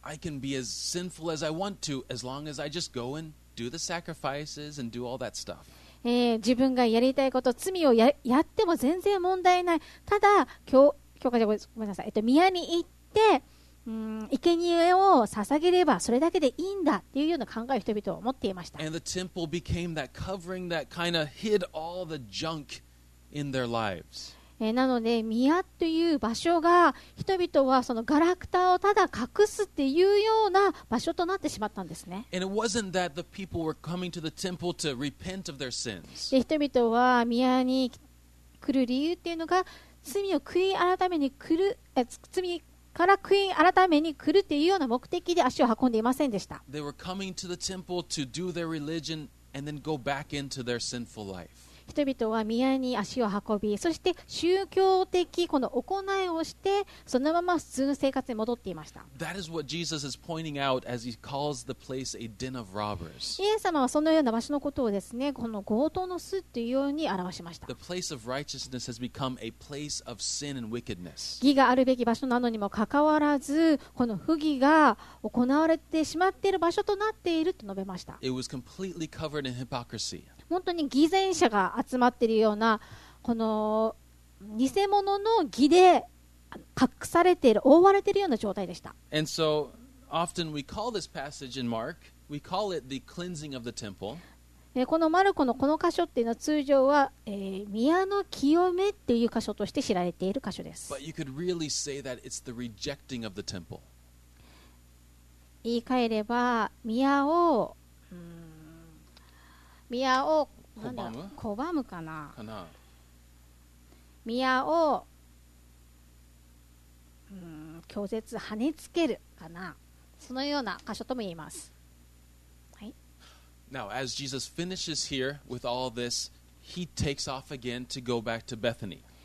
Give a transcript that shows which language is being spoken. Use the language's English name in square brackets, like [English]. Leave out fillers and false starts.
[English] I can be as sinful as I want to as long as I just go and do the sacrifices and do all that stuff. [Japanese] 自分がやりたいこと、罪を やっても全然問題ない。ただ、ごめんなさい。宮に行って、生贄を捧げればそれだけでいいんだっていうような考えを人々は持っていました。 [English] And the temple became that covering that kind of hid all the junk in their lives. [Japanese] なので宮という場所が人々はそのガラクタをただ隠すっていうような場所となってしまったんですね。 [English] And it wasn't that the people were coming to the temple to repent of their sins. [Japanese] で人々は宮に来る理由っていうのが罪を悔い改めに来る、罪から悔い改めに来るっていうような目的で足を運んでいませんでした。人々は宮に足を運び、そして宗教的この行いをして、そのまま普通の生活に戻っていました。イエス様はそのような場所のことをですね、この強盗の巣というように表しました。 [English] The place of righteousness has become a place of sin and wickedness. [Japanese] 義があるべき場所なのにもかかわらず、この不義が行われてしまっている場所となっていると述べました。 [English] It was completely covered in hypocrisy. [Japanese] 本当に偽善者が集まっているような、この偽物の義で隠されている、覆われているような状態でした。 [English] And so, often we call this passage in Mark, we call it the cleansing of the temple. [Japanese] このマルコのこの箇所っていうのは通常は、宮の清めっていう箇所として知られている箇所です。 [English] But you could really say that it's the rejecting of the temple. [Japanese] 言い換えれば宮を拒むかな。宮を拒絶、跳ねつけるかな。そのような箇所とも言います。 [English] Now, as Jesus finishes here with all this, he takes off again to go back to Bethany.